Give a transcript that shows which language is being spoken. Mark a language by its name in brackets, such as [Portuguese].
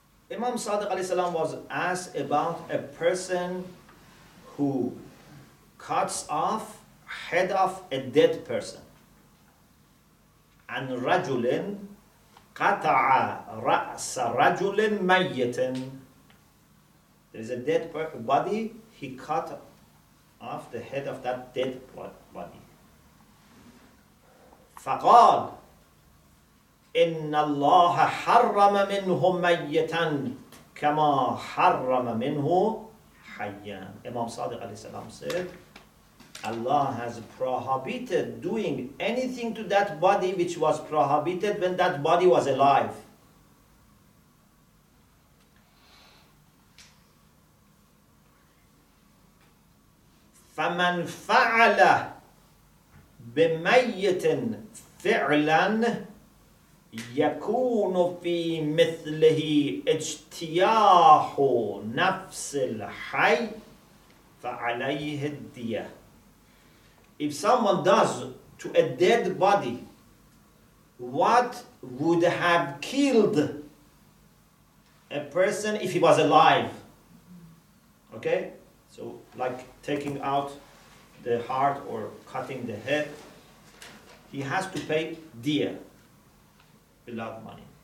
[English] Imam Sadiq alayhi salam was asked about a person who cuts off head of a dead person. [Arabic] And rajulin qata'a ra'sa rajulin mayyitin. [English] There is a dead body, he cut off the head of that dead body. [Arabic] فقال إن الله حرم منه ميتا كما حرم منه حيا. [English] Imam Sadiq alayhi salam said, Allah has prohibited doing anything to that body which was prohibited when that body was alive. [Arabic] فمن فعل بميت فعلا يكون في مثله اجتياح نفس الحي فعليه الدية. [English] If someone does to a dead body what would have killed a person if he was alive. Okay? So like taking out the heart or cutting the head, he has to pay dia, blood money.